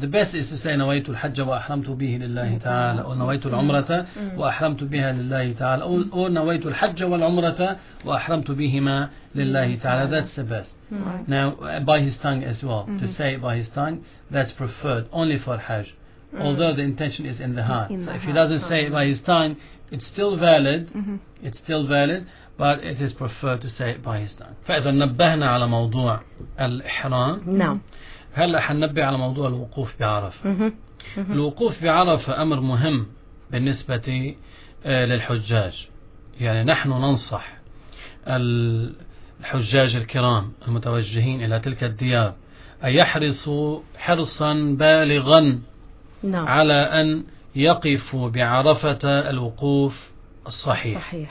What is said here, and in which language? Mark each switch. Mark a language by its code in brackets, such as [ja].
[en] The best is to say [ar] نويت الحج وأحرمت به لله تعالى, أو نويت العمرة وأحرمت بها لله تعالى, أو نويت الحج والعمرة وأحرمت بهما لله تعالى. [en] That's the best. Now by his tongue as well, to say it by his tongue, that's preferred only for Hajj, although the intention is in the heart. So if he doesn't say it by his tongue, it's still valid. It's still valid, but it is preferred to say it by his tongue. [ar] فإذا نبهنا على موضوع الإحرام. نعم. هلا حننبه على موضوع الوقوف بعرفة. الوقوف بعرفة أمر مهم بالنسبة للحجاج. يعني نحن ننصح الحجاج الكرام المتوجهين إلى تلك الديار أن يحرصوا حرصا بالغا على أن يقفوا بعرفة الوقوف الصحيح.